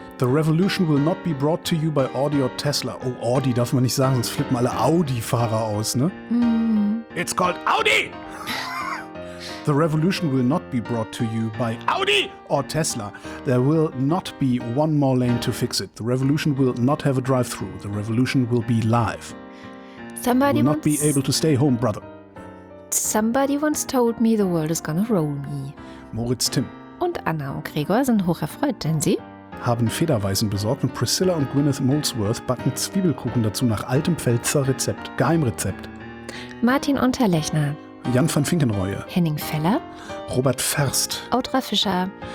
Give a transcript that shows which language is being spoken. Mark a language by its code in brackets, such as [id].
[en] The revolution will not be brought to you by Audi or Tesla. [de] Oh, Audi darf man nicht sagen, sonst flippen alle Audi-Fahrer aus, ne? Mhm. [en] It's called Audi! The revolution will not be brought to you by Audi or Tesla. There will not be one more lane to fix it. The revolution will not have a drive-through. The revolution will be live. Somebody will not be able to stay home, brother. Somebody once told me the world is gonna roll me. [de] Moritz Timm. Und Anna und Gregor sind hoch erfreut, denn sie haben Federweißen besorgt und Priscilla und Gwyneth Molesworth backen Zwiebelkuchen dazu nach altem Pfälzer Rezept. Geheimrezept. Martin Unterlechner. Jan van Finkenreue. Henning Feller. Robert Ferst. Audra Fischer.